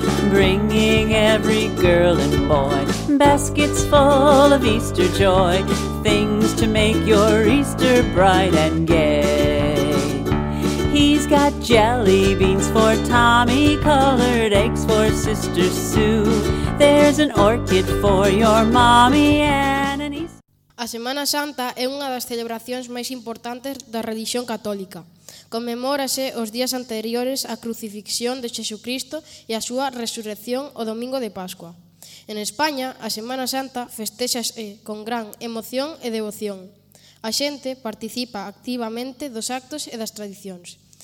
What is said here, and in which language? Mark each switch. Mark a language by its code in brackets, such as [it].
[en] Bringing every girl and boy, baskets full of Easter joy. Things to make your Easter bright and gay. He's got jelly beans for Tommy, colored eggs for Sister Sue. There's an orchid for your mommy and an Easter. [gl] A Semana Santa é unha das celebracións máis importantes da religión católica. Conmemórase os días anteriores á crucifixión de Xesucristo e a súa resurrección o domingo de Pascua. En España, a Semana Santa festexase con gran emoción e devoción. A xente participa activamente dos actos e das tradicións.